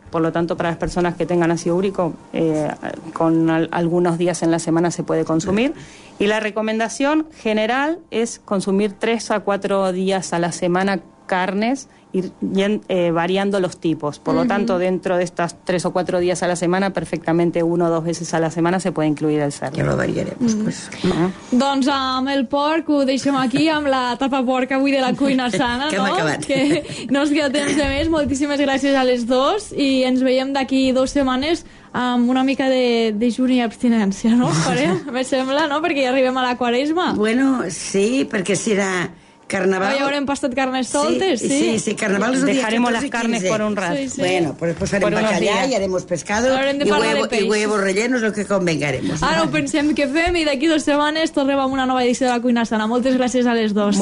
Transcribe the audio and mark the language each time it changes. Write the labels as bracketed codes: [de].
[es] Por lo tanto, para las personas que tengan ácido úrico, con algunos días en la semana se puede consumir. Y la recomendación general es consumir 3 a 4 días a la semana carnes, variando los tipos. Por lo tanto, dentro de estas 3 o 4 días a la semana, perfectamente 1 o 2 veces a la semana se puede incluir el cerdo. [ca] Ja lo variaremos, pues. Doncs amb el porc ho deixem aquí, amb la tapa porc avui de la cuina sana, que no? Que hem acabat. Que no es queda temps de més. Moltíssimes gràcies a les dos i ens veiem d'aquí 2 setmanes amb una mica de dejuni i abstinència, no? Me sembla, no? Perquè ja arribem a la Quaresma. Bueno, sí, perquè serà... Carnaval. Ja haurem passat carnes soltes, sí. Sí, sí, carnaval és el dia 14 i 15. [es] Dejaremos las carnes por un rato. Sí, sí. Bueno, pues después haremos bacallà y haremos pescado y huevos rellenos, lo que convengaremos. [ca] Ara ho pensem que fem i d'aquí 2 setmanes tornem amb una nova edició de la Cuina Sana. Moltes gràcies a les dos.